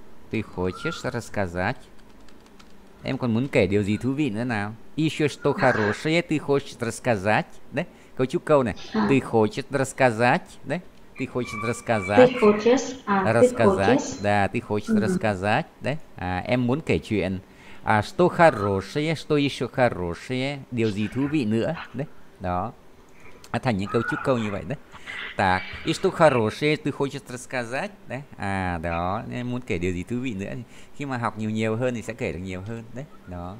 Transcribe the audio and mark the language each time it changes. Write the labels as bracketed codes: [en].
[ru] Ты хочешь рассказать? [vi] Em còn muốn kể điều gì thú vị nữa nào? [ru] Еще что хорошее ты хочешь рассказать? Да? [vi] Câu chúc câu này. [ru] Ты хочешь рассказать? Да? Ты хочешь рассказать? Ты хочешь? Рассказать? Да, ты хочешь рассказать? [vi] Да? Em muốn kể chuyện. [ru] Что хорошее, что еще хорошее, [vi] điều gì thú vị nữa, đấy, đó, thành những câu chúc câu như vậy đấy. [ru] Так, и что хорошее ты хочешь рассказать, [vi] đấy, đó, em muốn kể điều gì thú vị nữa, khi mà học nhiều hơn thì sẽ kể được nhiều hơn, đấy, đó.